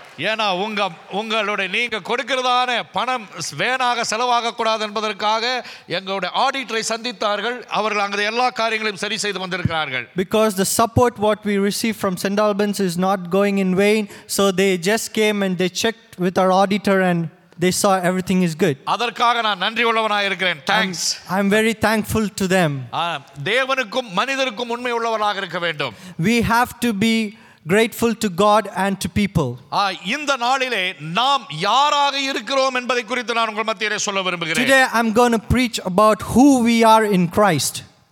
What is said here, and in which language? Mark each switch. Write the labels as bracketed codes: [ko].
[ta] ஏனா உங்களுடைய நீங்க கொடுக்கிறதான பணம் வேணாக செலவாக கூடாது என்பதற்காக எங்களுடைய ஆடிட்டரை சந்தித்தார்கள். அவர்கள் அங்கு எல்லா காரியங்களையும் சரி செய்து வந்திருக்கிறார்கள். [en] Because the support what we receive from St. Albans is not going in vain, so they just came and they checked with our auditor and they saw everything is good. [ta] அதற்காக நான் நன்றி உள்ளவனாக இருக்கிறேன். [en] Thanks. I'm very thankful to them. [ta] தேவனுக்கும் மனிதருக்கும் உண்மை உள்ளவனாக இருக்க வேண்டும். [en] We have to be grateful to God and to people. [ta] இந்த நாளிலே நாம் யாராக இருக்கிறோம் என்பதை குறித்து நான் உங்கள் மத்தியிலே சொல்ல விரும்புகிறேன். [en] Today I'm going to preach about who we are in Christ.